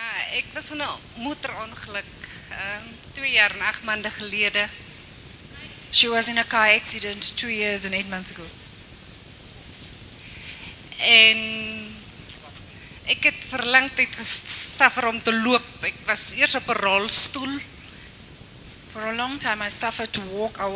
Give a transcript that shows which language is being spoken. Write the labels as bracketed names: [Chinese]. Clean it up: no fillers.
[Afrikaans] Ek was in 'n motorongeluk 2 jaar en 8 maande gelede. [English] She was in a car accident 2 years and 8 months ago. [Afrikaans] En ek het vir lang tyd gesuffer om te loop. Ek was eers op 'n rolstoel. [English] For a long time I suffered to walk.